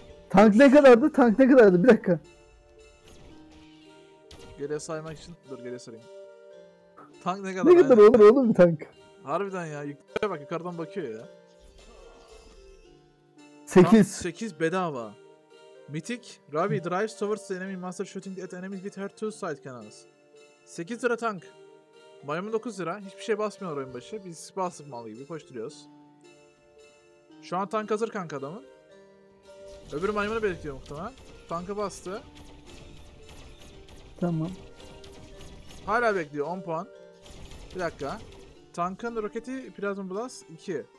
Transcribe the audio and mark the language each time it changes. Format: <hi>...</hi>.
<tr>Tank ne kadardı? Bir dakika. Geriye saymak için. Dur geriye sarayım. Tank ne kadar? Ne kadar olur oğlum bir tank? Harbiden ya. Yukarıya bak, yukarıdan bakıyor ya. 8. 8 bedava.</tr> <en>Mythic, Ravi drives towards the enemy master shooting at enemies with her two side cannons.</en> <tr>8 lira tank. Mayımı 9 lira. Hiçbir şey basmıyor oyun başı. Biz spasif mal gibi koşturuyoruz. Şu an tank hazır kanka adamın. Öbür mayımını bekliyor muhtemelen. Tankı bastı. Tamam. Hala bekliyor. 10 puan. Bir dakika. Tankın roketi Plasma Blast 2.</tr>